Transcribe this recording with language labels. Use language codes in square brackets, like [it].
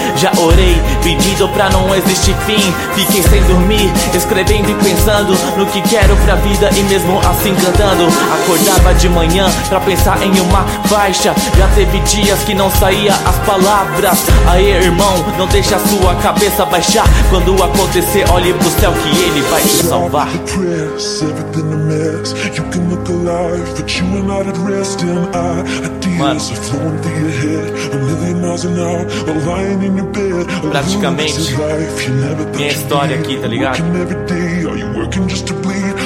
[pt] Já orei, pedindo pra não existir fim. Fiquei sem dormir, escrevendo e pensando no que quero pra vida e mesmo assim cantando. Acordava de manhã pra pensar em uma faixa. Já teve dias que não saía as palavras. Aê, irmão, não deixa a sua cabeça baixar. Quando acontecer, olhe pro céu que ele vai te salvar. [en] Stop the press, everything a mess. You can look alive, but you are not at rest. And ideas are flowing through your head. A million miles an hour, a lion in your bed. [pt] Praticamente minha história aqui, tá ligado? [en] Working every day, are you working just to bleed?